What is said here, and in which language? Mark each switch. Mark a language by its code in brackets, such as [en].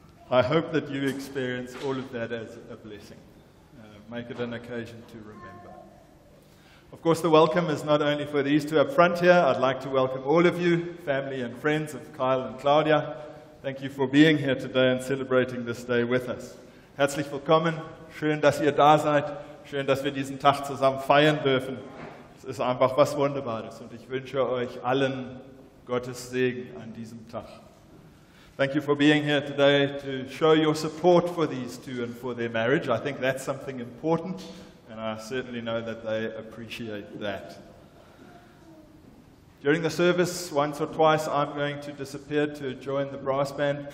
[en] I hope that you experience all of that as a blessing. Make it an occasion to remember. Of course, the welcome is not only for these two up front here. I'd like to welcome all of you, family and friends of Kyle and Claudia. Thank you for being here today and celebrating this day with us. [de] Herzlich willkommen. Schön, dass ihr da seid. Schön, dass wir diesen Tag zusammen feiern dürfen. Es ist einfach was Wunderbares. Und ich wünsche euch allen Gottes Segen an diesem Tag. [en] Thank you for being here today to show your support for these two and for their marriage. I think that's something important, and I certainly know that they appreciate that. During the service, once or twice, I'm going to disappear to join the brass band.